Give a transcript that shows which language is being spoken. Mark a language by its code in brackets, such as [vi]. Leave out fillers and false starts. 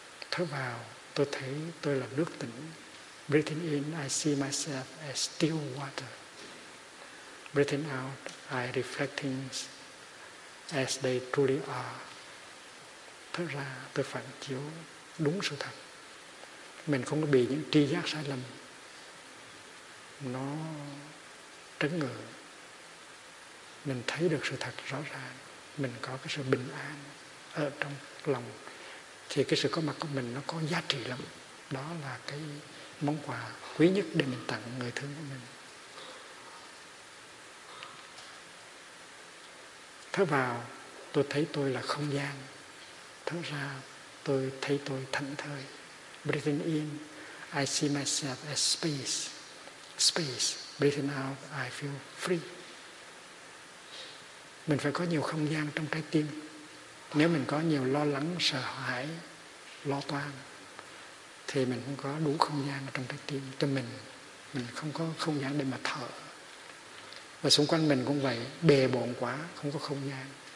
[vi] Thở vào, tôi thấy tôi là nước tĩnh. [en] Breathing in, I see myself as still water. Breathing out, I reflect things as they truly are. [vi] Thở ra, tôi phản chiếu đúng sự thật. Mình không có bị những tri giác sai lầm nó trấn ngự. Mình thấy được sự thật rõ ràng. Mình có cái sự bình an ở trong lòng. Thì cái sự có mặt của mình nó có giá trị lắm. Đó là cái món quà quý nhất để mình tặng người thương của mình. Thở vào, tôi thấy tôi là không gian. Thở ra, tôi thấy tôi thảnh thơi. [en] Breathing in, I see myself as space. Space. Breathing out, I feel free. [vi] Mình phải có nhiều không gian trong trái tim. Nếu mình có nhiều lo lắng, sợ hãi, lo toan, thì mình không có đủ không gian trong trái tim cho mình. Mình không có không gian để mà thở. Và xung quanh mình cũng vậy, bề bộn quá, không có không gian.